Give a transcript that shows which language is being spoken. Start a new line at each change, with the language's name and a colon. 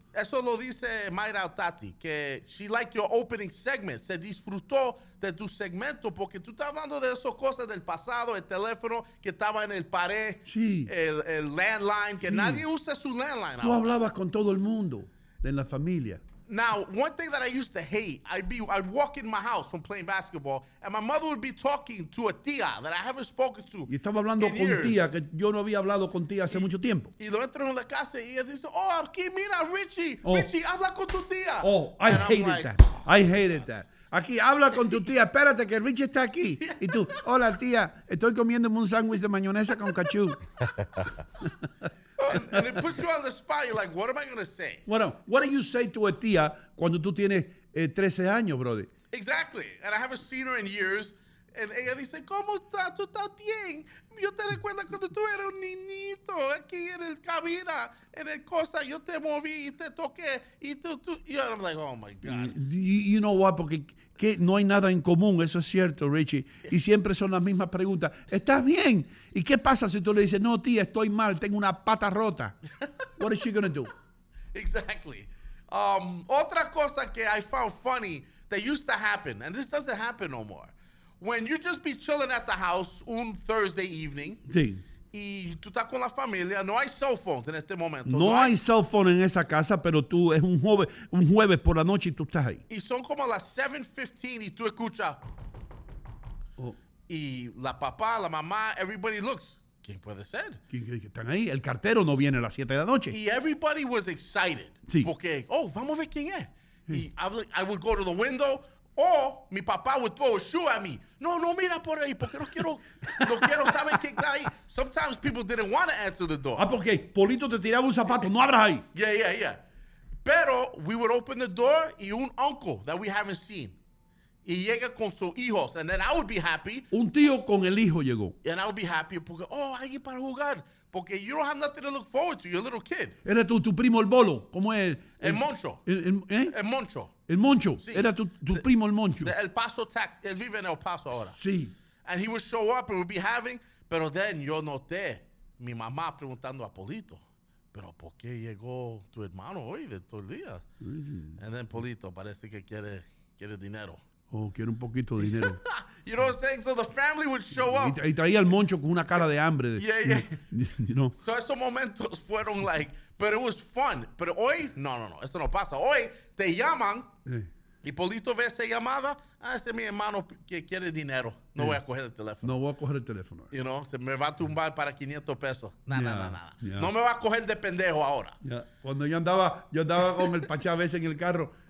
Spanish: Eso lo dice Mayra Otati, que
English: she liked your opening segment.
Spanish: Se disfrutó de tu segmento porque tú estás hablando de esas cosas del pasado, el teléfono que estaba en el pared, sí, el landline, que sí, nadie usa su landline. Tú ahora hablabas con todo el mundo en la familia.
English: Now, one thing that I used to hate, I'd walk in my house from playing basketball, and my mother would be talking to a tía that I haven't spoken to.
Spanish: Y estaba hablando
English: in
Spanish: con
English: years.
Spanish: Tía, que yo no había hablado con tía hace mucho tiempo. Y lo entro en la casa y ella dice, oh, aquí mira, Richie, oh. Richie, habla con tu tía.
English: Oh, I hated like, that. I hated that.
Spanish: Aquí, habla con tu tía, espérate que Richie está aquí. Y tú, hola tía, estoy comiéndome un sándwich de mayonesa con cachú.
English: And it puts you on the spot. You're like, what am I going to say? Well, what do you say to a tía
Spanish: cuando tú tienes 13 años,
English: brother? Exactly. And I haven't seen her in years.
Spanish: Ella dice, ¿cómo estás? ¿Tú estás bien? Yo te recuerdo cuando tú eras un niñito aquí en el cabina, en el cosa, yo te moví y te toqué. Y tú, y yo,
English: I'm like, oh my God. You know what?
Spanish: Porque que no hay nada en común, eso es cierto, Richie. Y siempre son las mismas preguntas. ¿Estás bien? ¿Y qué pasa si tú le dices, no, tía, estoy mal, tengo una pata rota?
English: What is she going to do? Exactly.
Spanish: Otra cosa que
English: I found funny that used to happen, and this doesn't happen no more. When you just be chilling at the house un Thursday evening.
Spanish: Sí. Y tú estás con la familia, no hay cell phones en este momento. No hay cell phone en esa casa, pero tú es un jueves por la noche y tú estás ahí. Y son como las 7:15 y tú escuchas. Oh. Y la papá, la mamá,
English: everybody looks.
Spanish: ¿Quién puede ser? Están ahí. El cartero no viene a las 7 de la noche.
English: Y everybody was excited.
Spanish: Sí. Porque, oh, vamos a ver quién es. Sí.
English: I would go to the window. Or
Spanish: mi papá
English: would throw a shoe at me.
Spanish: No, mira por ahí, porque no quiero saber quién está ahí.
English: Sometimes people didn't want to answer the door.
Spanish: Ah, porque Polito te tiraba un zapato, no abras ahí.
English: Yeah. Pero we would open the door y un uncle that we haven't seen.
Spanish: Y llega con sus hijos,
English: and then I would be happy.
Spanish: Un tío con el hijo llegó.
English: And I would be happy
Spanish: porque, oh, alguien para jugar.
English: Porque you don't have nothing to look forward to, you're a little kid.
Spanish: Era tu primo el bolo, ¿cómo es? El Moncho. El Moncho. El Moncho, sí. Era tu primo el Moncho. El Paso Tax, él vive en El Paso ahora. Sí.
English: And he would show up, and we'd be having,
Spanish: pero then yo noté mi mamá preguntando a Polito, pero ¿por qué llegó tu hermano hoy de todo el día? Mm-hmm.
English: And then
Spanish: Polito parece que quiere dinero. Oh, quiere un poquito de dinero.
English: You know what I'm saying? So the family would show up.
Spanish: Y traía al Moncho con una cara de hambre.
English: Yeah. You know? So
Spanish: esos momentos fueron
English: like, but it was fun.
Spanish: Pero hoy, no, eso no pasa. Hoy te llaman y Polito ve esa llamada. Ah, ese es mi hermano que quiere dinero. No voy a coger el teléfono. No voy a coger el teléfono.
English: You know,
Spanish: se me va a tumbar para 500 pesos. Nada. No me va a coger de pendejo ahora.
English: Yeah.
Spanish: Cuando yo andaba con el Pachá a veces en el carro.